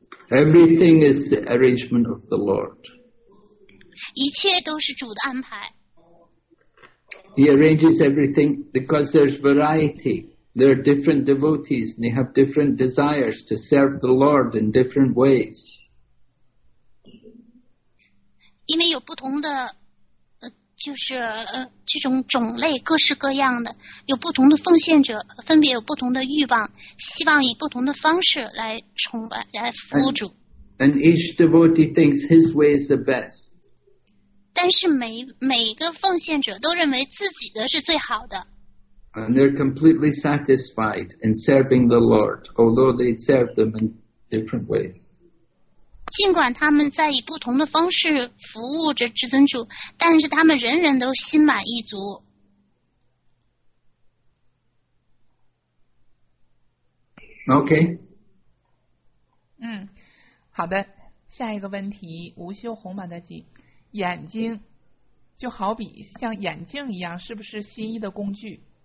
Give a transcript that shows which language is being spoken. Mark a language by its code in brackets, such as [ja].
[en] Everything is the arrangement of the Lord. [zh] 一切都是主的安排。 [en] He arranges everything because there's variety. There are different devotees and they have different desires to serve the Lord in different ways. [zh] 因为有不同的就是这种种类各式各样的，有不同的奉献者，分别有不同的欲望，希望以不同的方式来崇拜，来服务主。 [en] And each devotee thinks his way is the best. [zh] 但是每个奉献者都认为自己的是最好的。 [en] And they're completely satisfied in serving the Lord, although they serve them in different ways. [zh] 尽管他们在以不同的方式服务着至尊主，但是他们人人都心满意足。 [en] OK。 [zh] 好的，下一个问题，无修红满的机，眼睛就好比像眼镜一样，是不是心意的工具